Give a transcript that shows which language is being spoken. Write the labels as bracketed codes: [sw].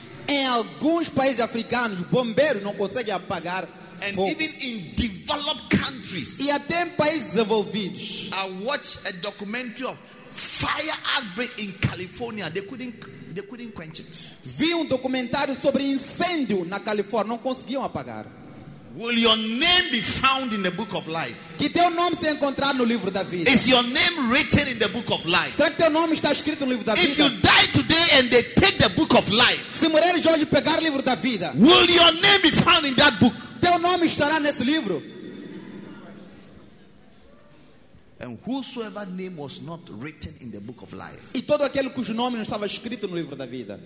[pt] Em alguns países africanos, bombeiro não consegue apagar. [en] And [pt] fogo. [en] Even in developed countries, [pt] e até em países desenvolvidos, [en] I watch a documentary of fire outbreak in California. They couldn't quench it. [pt] Vi um documentário sobre incêndio na Califórnia, não conseguiam apagar. [en] Will your name be found in the book of life? [pt] Que teu nome se encontrar no livro da vida? [en] Is your name written in the book of life? [pt] Será que teu nome está escrito no livro da vida? [en] If you die today and they take the book of life, [pt] se morrer hoje pegar o livro da vida, [en] will your name be found in that book? [pt] Teu nome estará nesse livro? [en] And whosoever name was not written in the book of life, [pt] e todo aquele cujo nome não estava escrito no livro da vida,